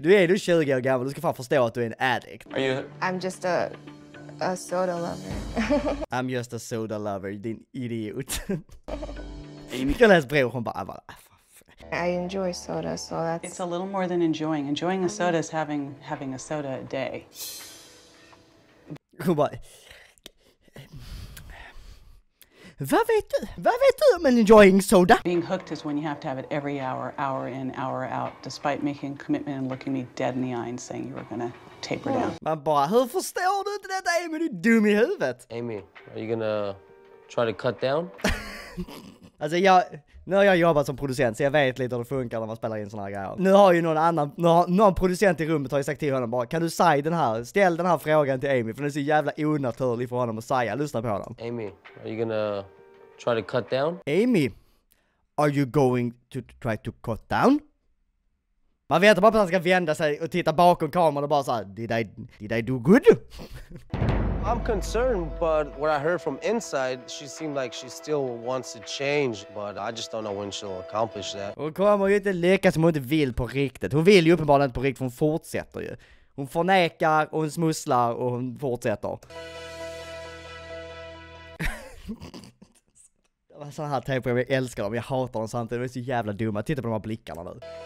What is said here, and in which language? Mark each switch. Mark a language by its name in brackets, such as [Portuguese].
[Swedish] Du är 20 år gammal. Du ska fan förstå att du är en [English] addict. Are you? I'm just a soda lover. I'm just a soda lover, [Swedish] din idiot. Amy. Jag läser brev och hon bara, [English] I enjoy soda, so that's... It's a little more than enjoying. Enjoying a soda is having a soda a day. [Swedish] Hon bara... Vad vet du om en [English] enjoying soda? Being hooked is when you have to have it every hour, hour in, hour out, despite making commitment and looking me dead in the eye and saying you were gonna... [Swedish] Man bara, hur förstår du inte detta, Amy? Du är dum i huvudet. [English] Amy, are you gonna try to cut down? [Swedish] Alltså jag, nu har jag jobbat som producent så jag vet lite hur det funkar när man spelar in såna här grejer. Nu har ju någon annan, någon producent i rummet har ju sagt till honom bara, kan du säga den här, ställ den här frågan till Amy, för den är så jävla onaturlig för honom att säga. Lyssna på honom. [English] Amy, are you gonna try to cut down? Amy, are you going to try to cut down? [Swedish] Man vet bara att han ska vända sig och titta bakom kameran och bara så här, [English] did I do good? I'm concerned, but what I heard from inside, she seemed like she still wants to change, but I just don't know when she'll accomplish that. [Swedish] Hon kommer ju inte lyckas om hon inte vill på riktigt. Hon vill ju uppenbarligen inte på riktigt, hon fortsätter ju. Hon förnekar och hon smusslar och hon fortsätter. Det var sådana här tejpor, jag älskar dem, jag hatar dem samtidigt, de är så jävla dumma. Titta på de här blickarna nu.